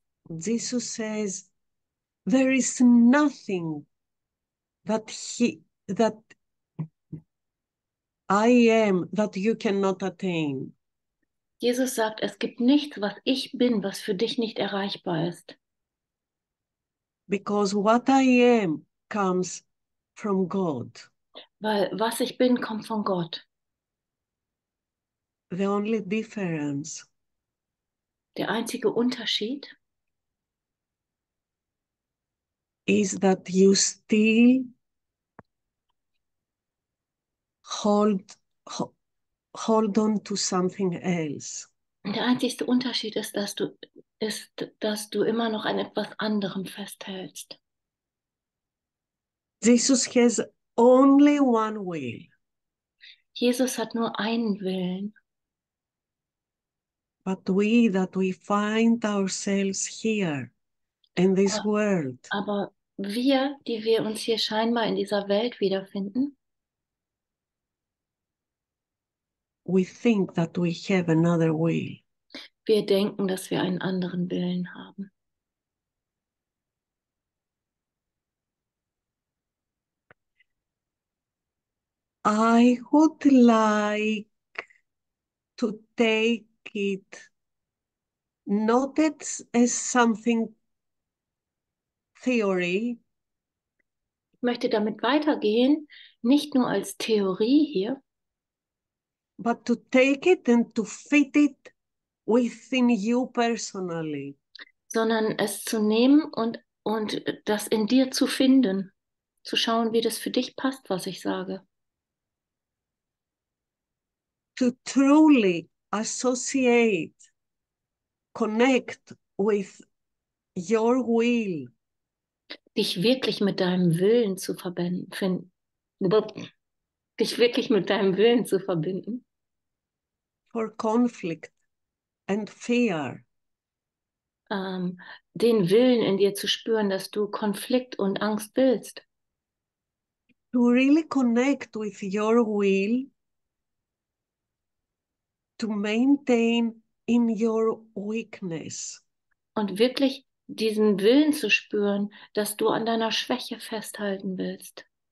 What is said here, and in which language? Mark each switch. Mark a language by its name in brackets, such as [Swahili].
[English] Jesus says, there is nothing that I am that you cannot attain. [German] Jesus sagt, es gibt nichts, was ich bin, was für dich nicht erreichbar ist. [English] Because what I am comes from God. [German] Weil was ich bin, kommt von Gott. [English] The only difference. [German] Der einzige Unterschied [English] Is that you still hold on to something else? [German] Der einzigste Unterschied ist, dass du immer noch an etwas anderem festhältst. [English] Jesus has only one will. [German] Jesus hat nur einen Willen. [English] But we that we find ourselves here in this world. [German] Aber wir, die wir uns hier scheinbar in dieser Welt wiederfinden, [English] we think that we have another will. [German] Wir denken, dass wir einen anderen Willen haben. [English] I would like to take it not as something theory. [German] Ich möchte damit weitergehen, nicht nur als Theorie hier, [English] But to take it and to fit it within you personally. [German] sondern es zu nehmen und das in dir zu finden, zu schauen, wie das für dich passt, was ich sage. [English] To truly associate, connect with your will. [German] Dich wirklich mit deinem Willen zu verbinden. Dich wirklich mit deinem Willen zu verbinden. [English] For conflict and fear. [German] Den Willen in dir zu spüren, dass du Konflikt und Angst willst. [English] To really connect with your will, to maintain in your weakness. [German] Und wirklich diesen Willen zu spüren, dass du an deiner Schwäche festhalten willst.